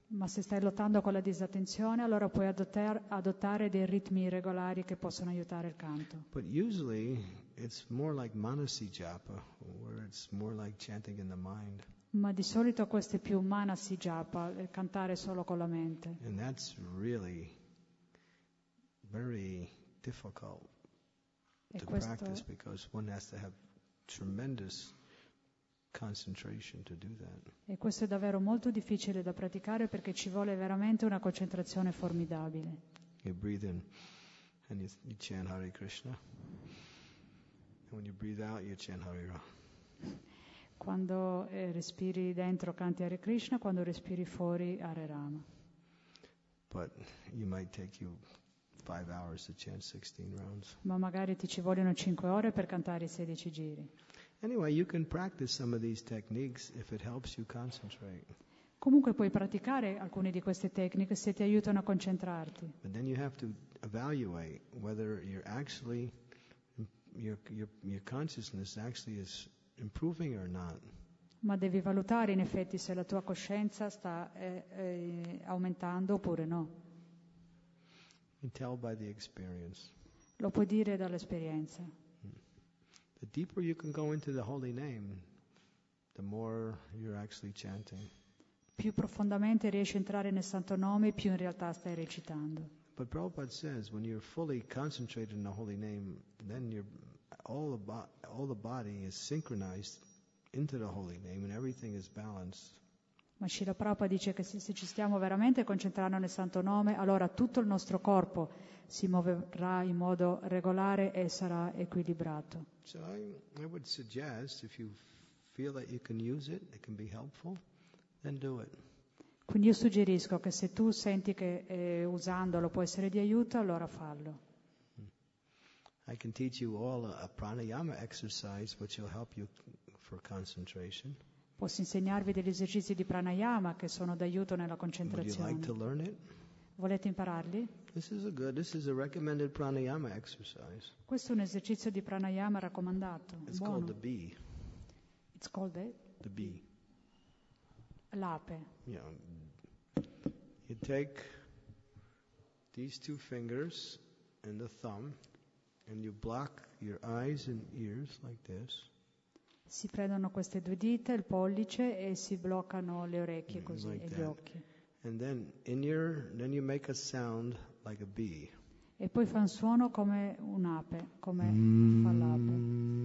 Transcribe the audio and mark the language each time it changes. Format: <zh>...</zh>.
<it>Ma se stai lottando con la disattenzione, allora puoi adottare dei ritmi regolari che possono aiutare il canto.</it> <en>But usually it's more like manasi japa, where it's more like chanting in the mind.</en> <it>Ma di solito questo è più manasi japa, cantare solo con la mente.</it> <en>And that's really very difficult to practice because one has to have tremendous concentration to do that.</en> <it>E questo è davvero molto difficile da praticare perché ci vuole veramente una concentrazione formidabile.</it> <en>You breathe in and you chant Hare Krishna. And when you breathe out you chant Hare Ram.</en> <it>Quando respiri dentro canti Hare Krishna, quando respiri fuori Hare Rama.</it> <en>But it might take you 5 hours to chant 16 rounds.</en> <it>Ma magari ti ci vogliono 5 ore per cantare i 16 giri.</it> <en>Anyway, you can practice some of these techniques if it helps you concentrate.</en> <it>Comunque puoi praticare alcune di queste tecniche se ti aiutano a concentrarti.</it> <en>But then you have to evaluate whether you're actually your consciousness actually is improving or not.</en> <it>Ma devi valutare in effetti se la tua coscienza sta aumentando oppure no.</it> <en>And tell by the experience.</en> <it>Lo puoi dire dall'esperienza.</it> <en>The deeper you can go into the holy name, the more you're actually chanting.</en> <it>Più profondamente riesci a entrare nel santo nome, più in realtà stai recitando.</it> <en>But Prabhupada says, when you're fully concentrated in the holy name, then you're all the body is synchronized into the holy name and everything is balanced.</en> <it>Ma Srila Prabhupada dice che se ci stiamo veramente concentrando nel santo nome, allora tutto il nostro corpo si muoverà in modo regolare e sarà equilibrato.</it> <en>So I would suggest, if you feel that you can use it, it can be helpful, then do it.</en> <it>Quindi io suggerisco che se tu senti che usandolo può essere di aiuto, allora fallo.</it> <en>I can teach you all a pranayama exercise which will help you for concentration.</en> <it>Posso insegnarvi degli esercizi di pranayama che sono d'aiuto nella concentrazione.</it> <en>Would you like to learn it?</en> <it>Volete impararli?</it> <en>This is a recommended pranayama exercise.</en> <it>Questo è un esercizio di pranayama raccomandato.</it> <en>It's</en> <it>buono.</it> <en>Called the bee. It's called it? The bee.</en> <it>L'ape.</it> <en>Yeah. You take these two fingers and the thumb and you block your eyes and ears like this.</en> <it>Si prendono queste due dita, il pollice, e si bloccano le orecchie così,</it> <en>like</en> <it>e</it> <en>that.</en> <it>Gli occhi.</it> <en>And then in your, then you make a sound like a bee.</en> <it>E poi fa un suono come un'ape, come fa l'ape.</it>